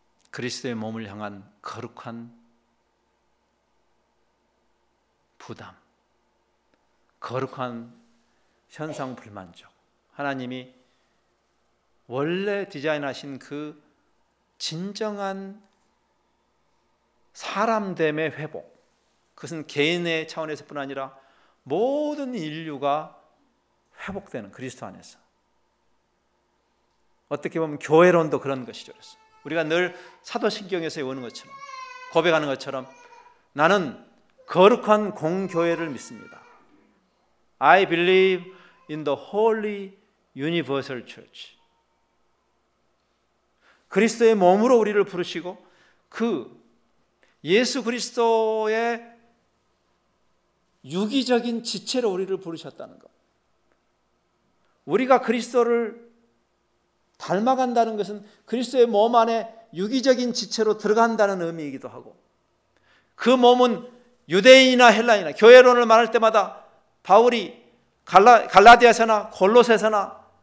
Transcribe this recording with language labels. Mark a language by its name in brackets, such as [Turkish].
[Korean] 그리스도의 몸을 향한 거룩한 부담, 거룩한 현상 불만족, 하나님이 원래 디자인하신 그 진정한 사람됨의 회복, 그것은 개인의 차원에서뿐 아니라 모든 인류가 회복되는 그리스도 안에서. 어떻게 보면 교회론도 그런 것이죠. 그래서 우리가 늘 사도신경에서 외우는 것처럼, 고백하는 것처럼, 나는 거룩한 공교회를 믿습니다. [English] I believe in the Holy Universal Church. [Korean] 그리스도의 몸으로 우리를 부르시고 그 예수 그리스도의 유기적인 지체로 우리를 부르셨다는 것. 우리가 그리스도를 닮아간다는 것은 그리스도의 몸 안에 유기적인 지체로 들어간다는 의미이기도 하고, 그 몸은 유대인이나 헬라인이나, 교회론을 말할 때마다 바울이 갈라디아서나 골로새서나